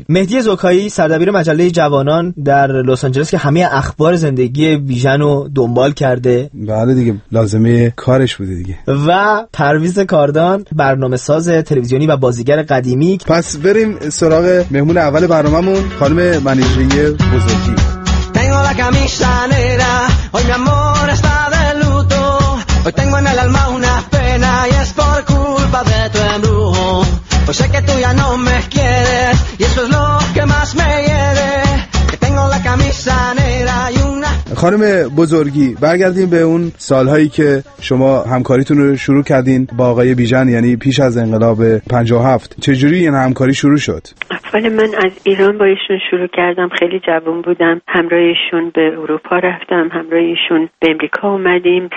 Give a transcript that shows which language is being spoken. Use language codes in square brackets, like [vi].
[fa] مهدی زوکایی، سردبیر مجله جوانان در لس آنجلس که همه اخبار زندگی بیژن رو دنبال کرده. بله دیگه، لازمه کارش بوده دیگه. و پرویز کاردان، برنامه ساز تلویزیونی و بازیگر قدیمی. پس بریم سراغ مهمون اول برنامه‌مون، خانم منیژه بزرگی. [es] Tengo la camisa negra, hoy mi amor está de luto. Hoy tengo en el alma una pena y es por culpa de tu embrujo. Pues sé que tú ya no me quieres y eso es lo que más me hiere. Tengo la camisa negra y una [fa] خانم بزرگی، برگردیم به اون سالهایی که شما همکاریتون رو شروع کردین با آقای بیژن، یعنی پیش از انقلاب 57. چجوری این همکاری شروع شد؟ اول من از ایران با ایشون شروع کردم. خیلی جوان بودم، همراه ایشون به اروپا رفتم، همراه ایشون به امریکا اومدیم.